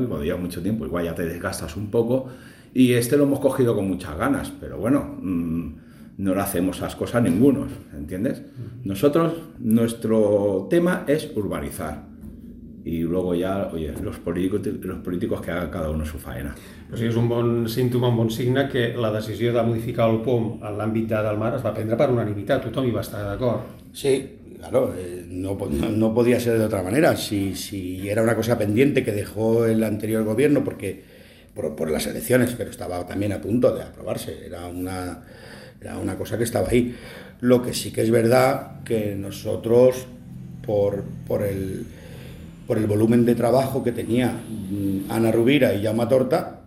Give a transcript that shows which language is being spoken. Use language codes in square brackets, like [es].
[es] Que cuando llevas mucho tiempo igual ya te desgastas un poco y este lo hemos cogido con muchas ganas, pero bueno, no le hacemos las cosas a ninguno, ¿entiendes? Nosotros, nuestro tema es urbanizar y luego ya, oye, los políticos que hagan cada uno su faena. [ca] Pues sí, és un bon símptoma, un bon signe que la decisió de modificar el POM en l'àmbit de Dalmar es va prendre per unanimitat, tothom hi va estar d'acord. [es] Sí. Claro, no podía ser de otra manera. Si era una cosa pendiente que dejó el anterior gobierno porque por las elecciones, pero estaba también a punto de aprobarse. Era una cosa que estaba ahí. Lo que sí que es verdad que nosotros por el volumen de trabajo que tenía Ana Rovira y Jaume Torta,